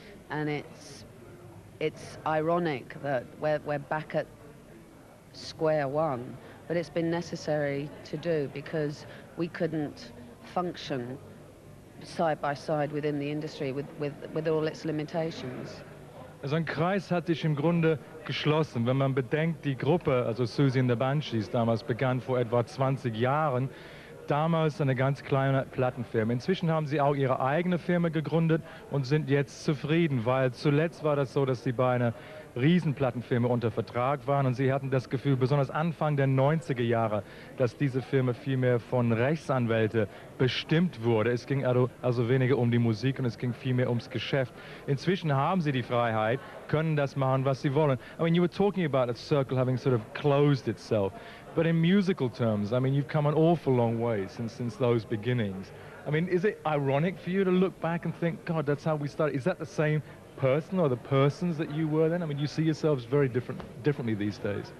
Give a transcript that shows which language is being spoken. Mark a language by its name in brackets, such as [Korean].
[English] And it's ironic that we're back at square one, but it's been necessary to do, because we couldn't function side by side within the industry with all its limitations. [German] Also ein Kreis hat sich im Grunde geschlossen. Wenn man bedenkt, die Gruppe, also Siouxsie and the Banshees, damals begann vor etwa 20 Jahren, damals eine ganz kleine Plattenfirma. Inzwischen haben sie auch ihre eigene Firma gegründet und sind jetzt zufrieden, weil zuletzt war das so, dass sie bei einer Riesenplattenfirma unter Vertrag waren und sie hatten das Gefühl, besonders Anfang der 90er Jahre, dass diese Firma vielmehr von Rechtsanwälten bestimmt wurde. Es ging also weniger um die Musik und es ging vielmehr ums Geschäft. Inzwischen haben sie die Freiheit, können das machen, was sie wollen. [English] I mean, you were talking about a circle having sort of closed itself. But in musical terms, I mean, you've come an awful long way since those beginnings. I mean, is it ironic for you to look back and think, God, that's how we started? Is that the same person or the persons that you were then? I mean, you see yourselves very differently these days.